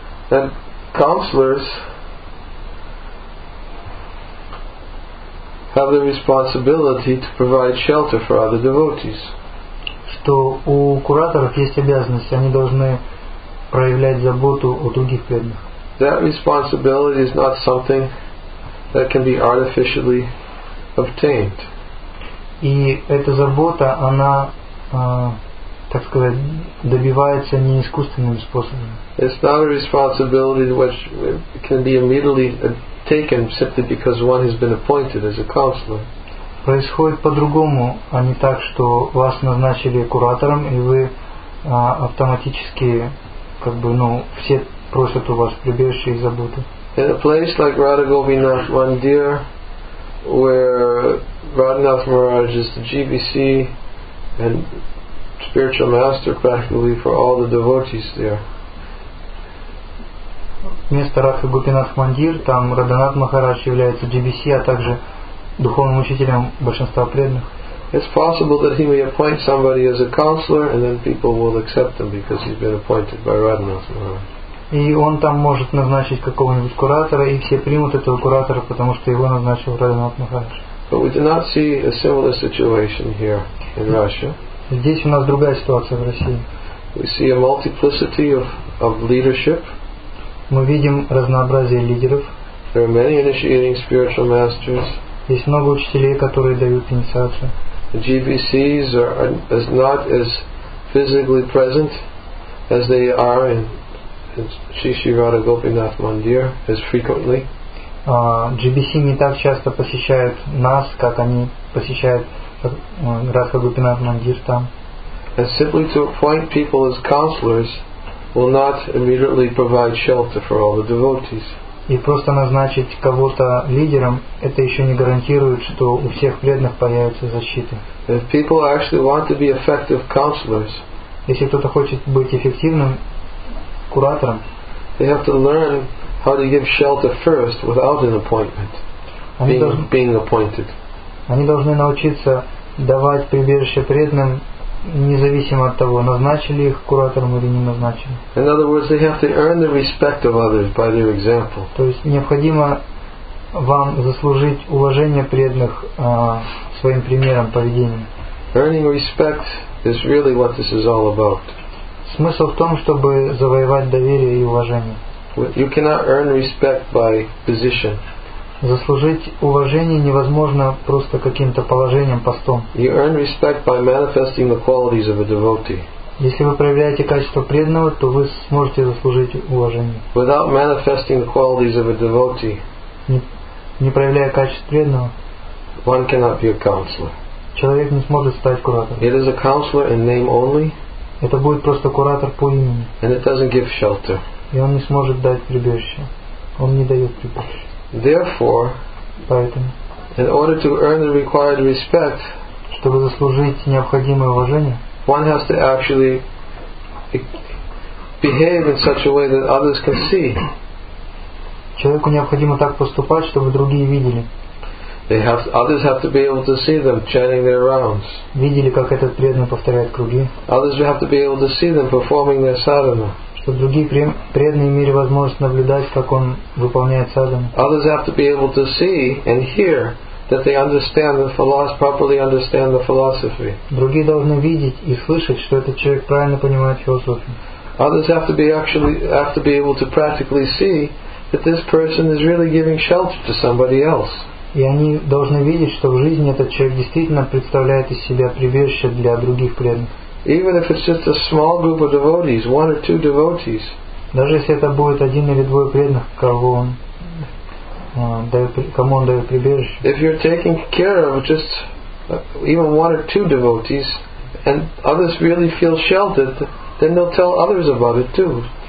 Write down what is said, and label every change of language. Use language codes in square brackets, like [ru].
[en] And counselors have the responsibility to provide shelter for other devotees. [ru] Что у кураторов есть обязанность, они должны проявлять заботу о других преданных. [en] That responsibility is not something that can be artificially obtained. [ru] И эта забота, она так сказать, добивается не искусственным способом. [en] It's not a responsibility which can be immediately taken simply because one has been appointed as a counselor. [ru] Происходит по-другому, а не так, что вас назначили куратором, и вы автоматически, как бы, ну, все просят у вас прибежище и заботы. [en] In a place like Radha Gopinath Mandir, where Radhanath Maharaj is the GBC and spiritual master practically for all the devotees there. [ru] Вместо Радха Гопинатх Мандир, там Радханат Махарадж является DBC, а также духовным учителем большинства преданных. [en] It's possible that he may appoint somebody as a counselor and then people will accept him because he's been appointed by Radhanath Maharaj. [ru] И он там может назначить какого-нибудь куратора, и все примут этого куратора, потому что его назначил Радханат Махарадж. [en] But we do not see a similar situation here in Russia. [ru] Здесь у нас другая ситуация в России. [en] We see a multiplicity of leadership. [ru] Мы видим разнообразие лидеров. [en] There are many initiating spiritual masters. [ru] Есть много учителей, которые дают инициацию. [en] The GBCs are as not as physically present as they are in Shishi Radha Gopinath Mandir as frequently. [ru] GBC не так часто посещают нас, как они посещают Радха Гопинатх Мандир там. [en] And simply to appoint people as counselors will not immediately provide shelter for all the devotees. [ru] И просто назначить кого-то лидером, это еще не гарантирует, что у всех преданных появится защита. [en] If people actually want to be effective counselors, [ru] если кто-то хочет быть эффективным куратором, [en] they have to learn how to give shelter first without an appointment, being appointed. [ru] Они должны научиться давать прибежище преданным, независимо от того, назначили их куратором или не назначили. [en] In other words, they have to earn the respect of others by their example. [ru] То есть необходимо вам заслужить уважение преданных своим примером поведения. [en] Earning respect is really what this is all about. [ru] Смысл в том, чтобы завоевать доверие и уважение. [en] You cannot earn respect by position. [ru] Заслужить уважение невозможно просто каким-то положением, постом. [en] You earn respect by manifesting the qualities of a devotee. [ru] Если вы проявляете качество преданного, то вы сможете заслужить уважение. [en] Without manifesting the qualities of a devotee, [ru] не проявляя качеств преданного, [en] one cannot be a counselor. [ru] Человек не сможет стать куратором. [en] It is a counselor in name only. [ru] Это будет просто куратор по имени. [en] And it doesn't give shelter. [ru] И он не сможет дать прибежище. Он не дает прибежище. [en] Therefore, [ru] поэтому, [en] in order to earn the required respect, [ru] чтобы заслужить необходимое уважение, [en] one has to actually behave in such a way that others can see. [ru] Человеку необходимо так поступать, чтобы другие видели. [en] Others have to be able to see them chanting their rounds. [ru] Видели, как этот преданный повторяет круги. [en] Others have to be able to see them performing their sadhana. [ru] Чтобы другие преданные имели возможность наблюдать, как он выполняет садхану. [en] Others have to be able to see and hear that they understand the philosophy, properly understand the philosophy. [ru] Другие должны видеть и слышать, что этот человек правильно понимает философию. [en] Others have to be able to practically see that this person is really giving shelter to somebody else. [ru] И они должны видеть, что в жизни этот человек действительно представляет из себя прибежище для других преданных. [en] Even if it's just a small group of devotees, one or two devotees. [ru] Даже если это будет один или двое преданных, кому он дает прибежище. [en] If you're taking care of just even one or two devotees, and others really feel sheltered, then they'll tell others about it too.